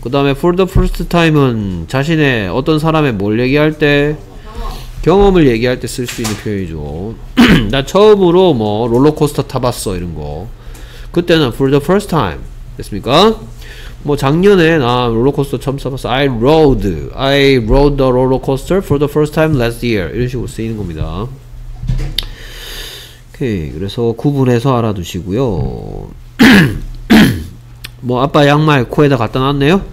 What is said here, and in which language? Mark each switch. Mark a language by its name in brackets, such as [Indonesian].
[Korean] 그 다음에 [English] for the first time [Korean] 은 자신의 어떤 사람의 뭘 얘기할 때 경험을 얘기할 때 쓸 수 있는 표현이죠. 나 처음으로 뭐 롤러코스터 타봤어 이런 거, 그때는 [English] for the first time. [Korean] 됐습니까? 뭐 작년에 나 롤러코스터 처음 써봤어. [English] I rode the rollercoaster for the first time last year. [Korean] 이런 식으로 쓰이는 겁니다. 오케이. 그래서 구분해서 알아두시고요. 뭐 아빠 양말 코에다 갖다 놨네요.